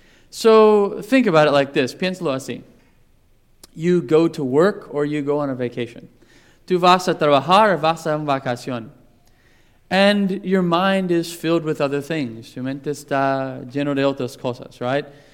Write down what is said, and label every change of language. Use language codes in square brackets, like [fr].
[en] So think about it like this. [es] Piénsalo así. [en] You go to work or you go on a vacation. [es] Tú vas a trabajar o vas a una vacación. [en] And your mind is filled with other things. [es] Tu mente está lleno de otras cosas, [en] right?